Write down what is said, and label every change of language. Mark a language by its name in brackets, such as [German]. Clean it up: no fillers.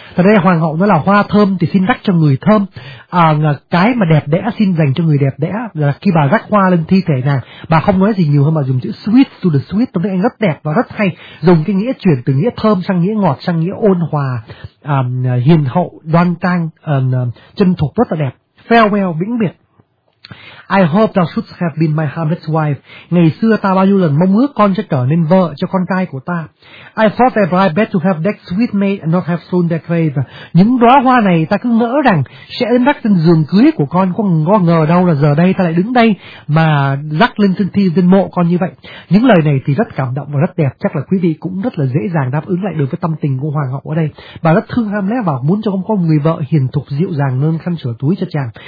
[Vietnamese] Thật ra hoàng hậu nói là hoa thơm thì xin rắc cho người thơm, cái mà đẹp đẽ xin dành cho người đẹp đẽ. Là khi bà rắc hoa lên thi thể nàng, bà không nói gì nhiều hơn mà dùng chữ [English] sweet to the sweet, [Vietnamese] trong tiếng Anh rất đẹp và rất hay, dùng cái nghĩa chuyển từ nghĩa thơm sang nghĩa ngọt, sang nghĩa ôn hòa, hiền hậu, đoan trang, chân thục, rất là đẹp. [English] Farewell, [Vietnamese] vĩnh biệt. [English] I hope thou shouldst have been my Hamlet's wife. [Vietnamese] Ngày xưa ta bao nhiêu lần mong ước con sẽ trở nên vợ cho con trai của ta. [English] I thought that I better to have decked sweet maid and not have strewn their grave. [Vietnamese] Những đóa hoa này ta cứ ngỡ rằng sẽ đến rắc trên giường cưới của con, có ngờ đâu là giờ đây ta lại đứng đây mà rắc lên trên thi trên mộ con như vậy. Những lời này thì rất cảm động và rất đẹp, chắc là quý vị cũng rất là dễ dàng đáp ứng lại được với tâm tình của hoàng hậu ở đây. Bà rất thương Hamlet và muốn cho con có người vợ hiền thục dịu dàng nâng khăn sửa túi cho chàng.